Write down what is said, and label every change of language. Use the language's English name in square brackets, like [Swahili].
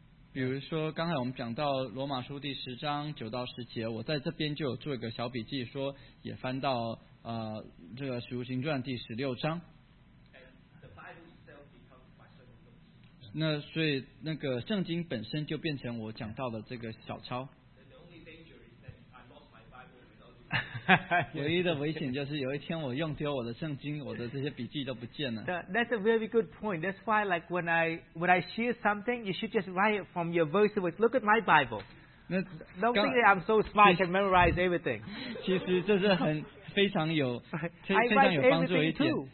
[Chinese] 比如说刚才我们讲到罗马书第十章九到十节，我在这边就有做一个小笔记，说也翻到这个使徒行传第十六章。那所以那个圣经本身就变成我讲到的这个小抄。唯一的危险就是有一天我用丢我的圣经，我的这些笔记都不见了。 [English] That's a very good point. That's why, like when I share something, you should just write it from your verse. With, look at my Bible. Don't think that I'm so smart can memorize everything. [Chinese] 其实这是非常有帮助的一点。